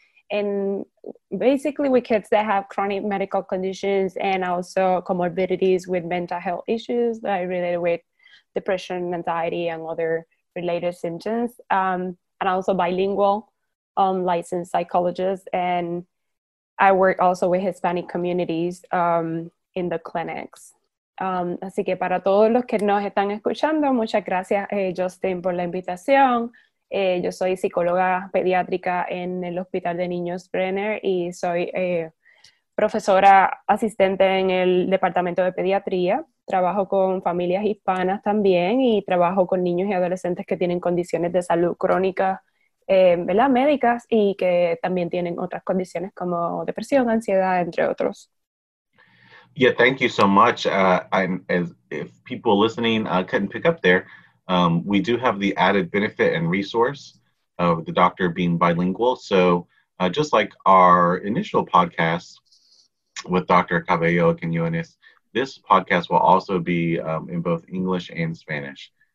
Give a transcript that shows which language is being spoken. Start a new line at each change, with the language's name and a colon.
English: And basically with kids that have chronic medical conditions and also comorbidities with mental health issues that are related with depression, anxiety, and other related symptoms. And also bilingual, licensed psychologist. And I work also with Hispanic communities in the clinics.
Spanish: Así que para todos los que nos están escuchando, muchas gracias, Justin, por la invitación. Yo soy psicóloga pediátrica en el Hospital de Niños Brenner y soy profesora asistente en el Departamento de Pediatría. Trabajo con familias hispanas también y trabajo con niños y adolescentes que tienen condiciones de salud crónicas, ¿verdad? Médicas y que también tienen otras condiciones como depresión, ansiedad, entre otros.
English: Yeah, thank you so much. If people listening couldn't pick up there, we do have the added benefit and resource of the doctor being bilingual. So just like our initial podcast with Dr. Caballero Quinones, this podcast will also be in both English and Spanish.